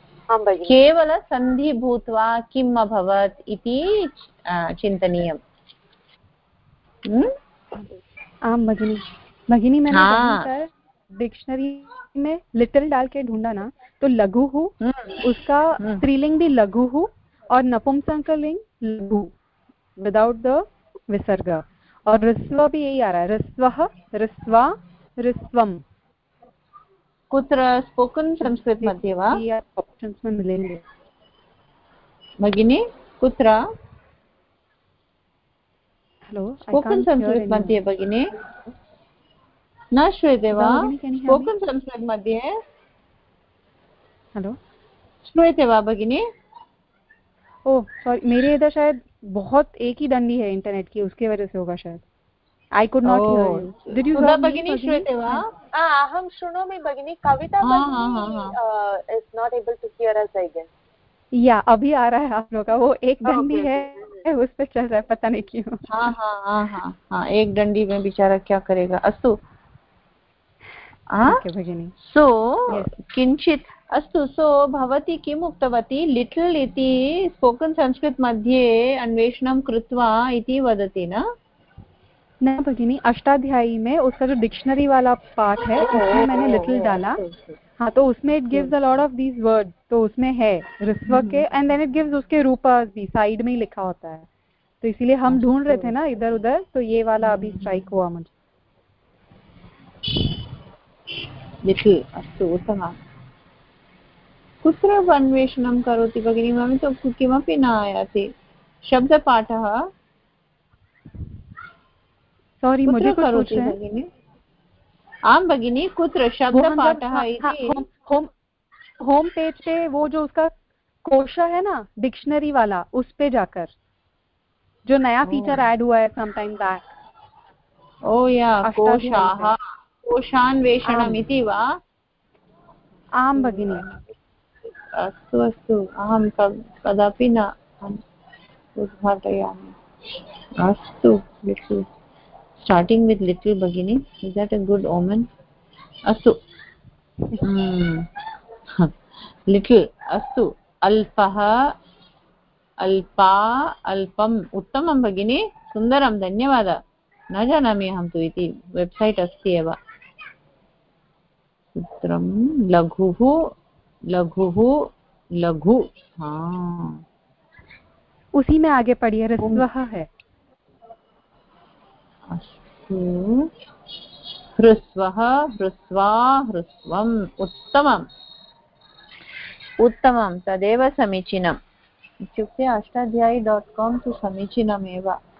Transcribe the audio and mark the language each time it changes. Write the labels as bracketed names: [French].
[Sanskrit] केवलसन्धि भूत्वा किम् अभवत् इति चिन्तनीयम्. [Hindi] आं भगिनि, भगिनी मैंने डिक्शनरी में लिटिल डाल के ढूंढा ना, तो लघु हु उसका स्त्रीलिंग भी लघु हु और नपुंसकलिंग लघु [English] without the विसर्ग, [Hindi] और ऋस्व भी यही आ रहा है, ऋस्वः, ऋस्वा, ऋस्वम्. [Sanskrit] कुत्र? स्पोकन संस्कृत मध्ये वा? [Hindi] ऑप्शंस में मिलेंगे [Sanskrit] भगिनी, कुत्र? [English] hello, [Sanskrit] स्पोकन संस्कृत मध्ये भगिनी न श्रूयते वा? स्पोकन् संस्कृत् मध्ये. [English] hello, [Sanskrit] श्रूयते वा भगिनि? [Hindi] ओ सोरि, मेरे इधर शायद बहुत एक ही दंडी है इंटरनेट की, उसके वजह से होगा शायद. [English] I could not hear you. Did you hear भगिनि? [Sanskrit] श्रूयते वा? हां, अहम् श्रुणोमि भगिनि. [English] कविता भगिनि is not able to hear us again. [Hindi] या, अभी आ रहा है आप लोगों का, वो एक दंडी है उस पर चल रहा है, पता नहीं क्यों. हाँ हाँ हाँ हाँ, एक दंडी में बेचारा क्या करेगा. [Sanskrit] अस्तु, सो किञ्चित् अस्तु. सो भवती किम् उक्तवती? लिटिल् इति स्पोकन् संस्कृत् मध्ये अन्वेषणं कृत्वा इति वदति न? [Hindi] न भगिनी, अष्टाध्यायी में उसका जो डिक्शनरी वाला पार्ट है उसमें मैंने लिटिल डाला. हाँ, तो उसमें [English] it gives a lot of these word, [Hindi] तो उसमें है ऋस्व के, [English] and then it gives [Hindi] उसके रूप भी साइड में ही लिखा होता है, तो इसीलिए हम ढूंढ रहे थे ना इधर उधर, तो ये वाला अभी स्ट्राइक हुआ मुझे. [Sanskrit] अस्तु, उत्तम. कुत्र अन्वेषणं करोति भगिनि? मम तु किमपि न आयाति शब्दपाठः. [Hindi] सोरि, मुझे कुछ पूछ रहे [Sanskrit] हैं. आम भगिनि, कुत्र शब्दपाठः इति? [Hindi] होम पेज पे, वो जो उसका कोश है ना डिक्शनरी वाला, उस पे जाकर जो नया फीचर ऐड हुआ है [English] Some time back. Oh yeah, [Sanskrit] कोशाः, कोशान्वेषणम् इति वा? आं भगिनि. अस्तु अस्तु, अहं कदापि न उद्घाटयामि. [English] अस्तु, little starting with little भगिनि, is that a good omen? [Sanskrit] अस्तु, लिटिल् अस्तु, अल्पः अल्पा अल्पम् उत्तमं भगिनी, सुन्दरं, धन्यवादः. न जानामि अहं तु इति, वेब्सैट् अस्ति एव. सूत्रं लघुः लघुः लघु, हा [Hindi] उसी में आगे पढ़िए, ह्रस्वः है. [Sanskrit] अस्तु, ह्रस्वः ह्रस्वा ह्रस्वम् उत्तमम् उत्तमं, तदेव समीचीनम् इत्युक्ते अष्टाध्यायी डाट् काम् तु समीचीनमेव.